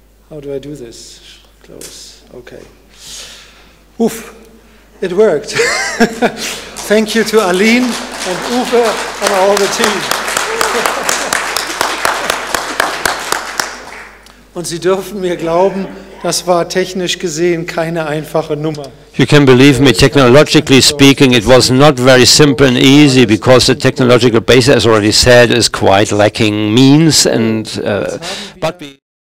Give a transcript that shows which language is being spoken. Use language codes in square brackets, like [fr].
[en] How do I do this? Close. Okay. Oof, it worked. Thank you to Aline and Uwe and all the team. [de] Und Sie dürfen mir glauben, das war technisch gesehen keine einfache Nummer. [en] You can believe me, technologically speaking, it was not very simple and easy because the technological base, as already said, is quite lacking means. But